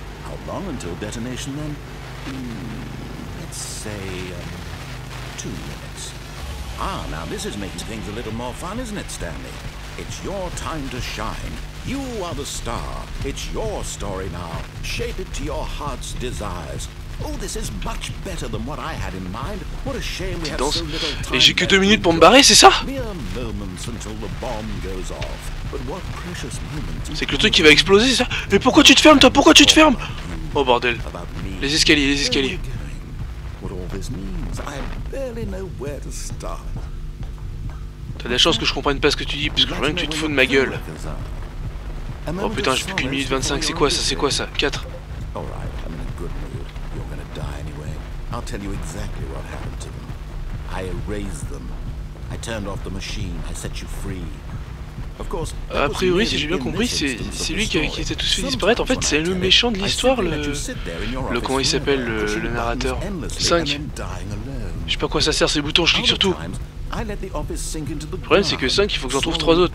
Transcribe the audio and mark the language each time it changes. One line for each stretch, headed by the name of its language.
English: How long until detonation then? Let's say, 2 minutes. Ah, now this is making things a little more fun, isn't it, Stanley? It's your time to shine. You are the star. It's your story now. Shape it to your heart's desires. Oh, this is much better than what I had in mind. What a shame we have so little time.
French: Et j'ai que 2 minutes pour me barrer, c'est ça?
English: Mere moments until the bomb goes off. But what precious moments.
French: C'est que le truc qui va exploser, c'est ça? Mais pourquoi tu te fermes, toi? Pourquoi tu te fermes? Oh bordel. Les escaliers, les escaliers.
English: What all this means, I barely know where to start.
French: T'as de la chance que je comprenne pas ce que tu dis, parce que je vois bien que tu te fous de ma gueule. Oh putain, j'ai plus qu'une minute 25, c'est quoi ça? C'est quoi ça?
English: 4. Alright, I'm in a good mood. You're gonna die anyway. I'll tell you exactly what happened to them. I erased them. I turned off the machine, I set you free.
French: A priori, si j'ai bien compris, c'est lui qui était tous fait disparaître. En fait, c'est le méchant de l'histoire, le comment il s'appelle, le narrateur. 5. Je sais pas quoi ça sert, ces boutons, je clique sur tout. Le problème, c'est que 5, il faut que j'en trouve 3 autres.